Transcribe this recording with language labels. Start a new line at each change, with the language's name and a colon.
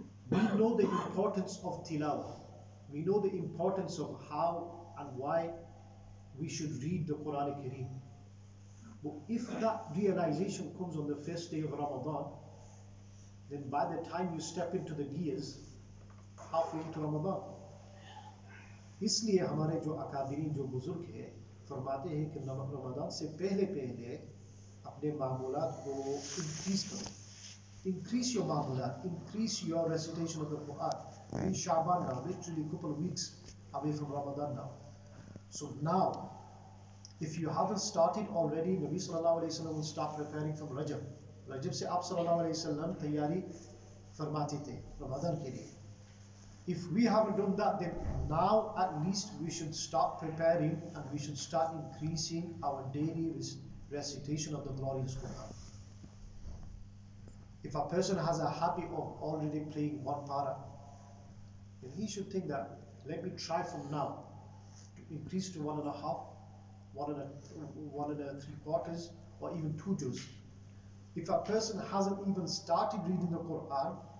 English: We know the importance of tilawah. We know the importance of how and why we should read the Quran Kareem. But if that realization comes on the first day of Ramadan, then by the time you step into the gears, halfway into Ramadan.
Urdu: Isliye hamare jo akabirin, jo buzurg hai, فرماتے ہیں کہ نمک رمضان سے پہلے پہلے اپنے معمولات کو increase کرو.
English: Increase your معمولات, increase your recitation of the Quran. In Shaban now, literally a couple of weeks away from Ramadan now. So now, if you haven't started already, Nabi صلی اللہ علیہ وسلم will start preparing from Rajab.
Urdu: Rajab سے آپ صلی اللہ علیہ وسلم تیاری فرماتے تھے رمضان کے لئے.
English: If we haven't done that, then now at least we should start preparing and we should start increasing our daily recitation of the glorious Quran. If a person has a habit of already playing one para, then he should think that, let me try from now to increase to 1.5, 1.75, or even 2 juz. If a person hasn't even started reading the Quran,